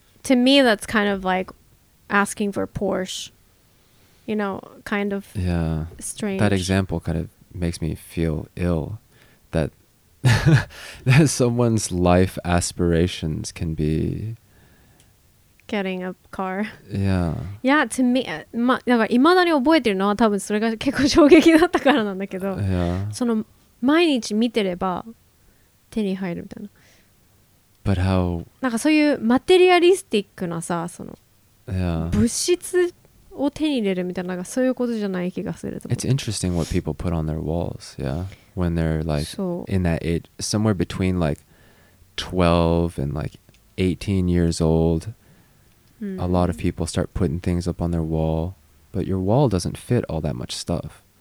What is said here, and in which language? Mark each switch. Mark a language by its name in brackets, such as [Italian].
[English] To me, that's kind of like asking for a Porsche, you know, kind of strange. That example kind of makes me feel ill that, that someone's life aspirations can be... Getting a car. Yeah. Yeah, to me, [Japanese] だから未だに覚えてるのは多分それが結構衝撃だったからなんだけど、その毎日見てれば手に入るみたいな。 [English] But how... [Japanese] なんかそういうマテリアリスティックなさ、その物質を手に入れるみたいな、なんかそういうことじゃない気がすると思う。 [English] It's interesting what people put on their walls, When they're like in that age, somewhere between like 12 and like 18 years old, a lot of people start putting things up on their wall, but your wall doesn't fit all that much stuff.